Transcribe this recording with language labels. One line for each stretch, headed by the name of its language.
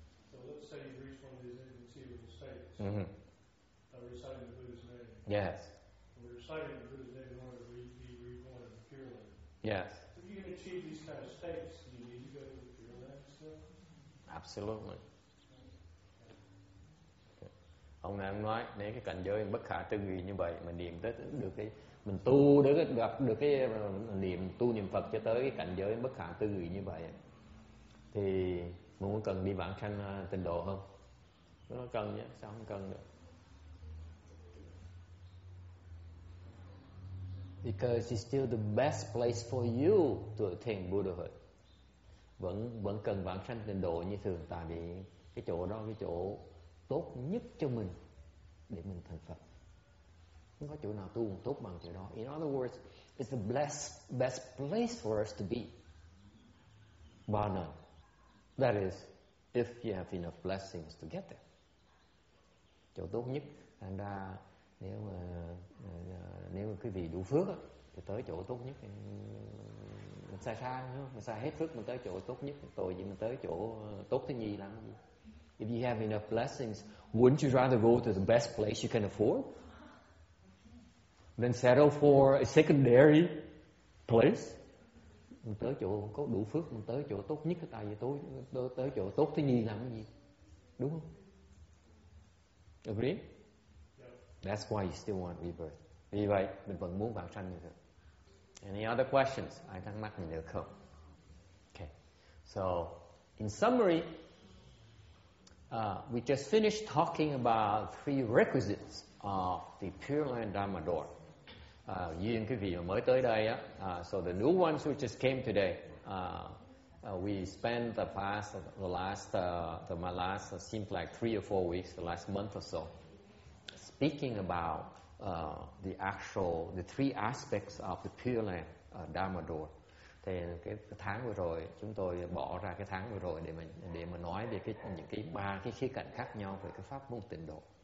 English: So let's say you reach one of these inconceivable states. Mm-hmm. Reciting the Buddha's name. Yes. And we're reciting the Buddha's name in order to be reborn in the Pure Land. Yes. So if you can achieve these kind of states, do you need to go to the Pure Land still? Absolutely.
Vietnamese: Ông này nói nếu cái cảnh giới bất khả tư nghị như vậy mà niệm tới được cái mình tu để gặp được cái niệm tu niệm Phật cho tới cái cảnh giới bất khả tư nghị như vậy thì mình có cần đi vãng sanh tịnh độ không? Nó cần nhé, sao không cần được?
English: Because it's still the best place for you to attain Buddhahood.
Vietnamese: Vẫn cần vãng sanh tịnh độ như thường, tại vì cái chỗ đó cái chỗ tốt nhất cho mình để mình thành Phật. Không có chỗ nào tu tốt bằng chỗ đó.
English: In other words, it's the best place for us to be. Bar none. That is, if you have enough blessings to get there.
Vietnamese: Chỗ tốt nhất. Thành ra nếu mà quý vị đủ phước thì tới chỗ tốt nhất. Mình sai xa, mình sai hết phước mình tới chỗ tốt nhất. Tội gì mình tới chỗ tốt thứ nhì làm gì?
English: If you have enough blessings, wouldn't you rather go to the best place you can afford than settle for a secondary place?
Vietnamese: Mình tới chỗ có đủ phước, mình tới chỗ tốt nhất, tại vì tôi tới chỗ tốt thứ nhì làm cái gì? Đúng không?
English: Agree? Yep. That's why you still want rebirth.
Vietnamese: Vì vậy, mình vẫn muốn vãng sanh như thế.
English: Any other questions?
Vietnamese: Ai thắc mắc mình được không?
English: Okay. So, in summary, we just finished talking about three requisites of the Pure Land Dharma Door.
Vietnamese: Duyên quý vị mới tới đây á,
English: so the new ones who just came today, we spent the last seems like 3 or 4 weeks, the last month or so, speaking about the three aspects of the Pure Land Dharma Door.
Vietnamese: Thì cái tháng vừa rồi chúng tôi bỏ ra cái tháng vừa rồi để mà nói về những cái ba cái khía cạnh khác nhau về cái pháp môn tịnh độ.